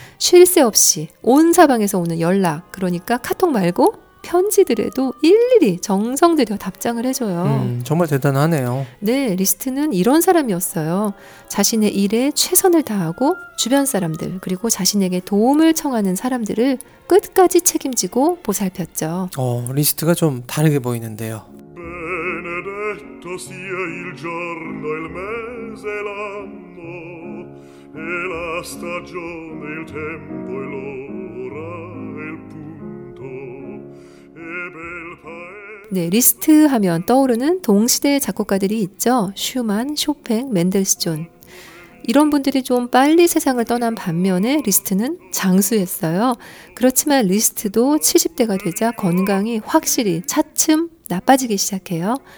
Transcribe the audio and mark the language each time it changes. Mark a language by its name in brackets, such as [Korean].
[Korean] 쉴 새 없이 온 사방에서 오는 연락, 그러니까 카톡 말고 편지들에도 일일이 정성 들여 답장을 해줘요. 정말 대단하네요. 네, 리스트는 이런 사람이었어요. 자신의 일에 최선을 다하고 주변 사람들, 그리고 자신에게 도움을 청하는 사람들을 끝까지 책임지고 보살폈죠. 리스트가 좀 다르게 보이는데요. [Italian] Benedetto sia il giorno il mese l'anno e la stagione il tempo e l'ora il punto e bel paese. [Korean] 네, 리스트 하면 떠오르는 동시대 작곡가들이 있죠. 슈만, 쇼팽, 멘델스존. 이런 분들이 좀 빨리 세상을 떠난 반면에 리스트는 장수했어요. 그렇지만 리스트도 70대가 되자 건강이 확실히 차츰 나빠지기 시작해요.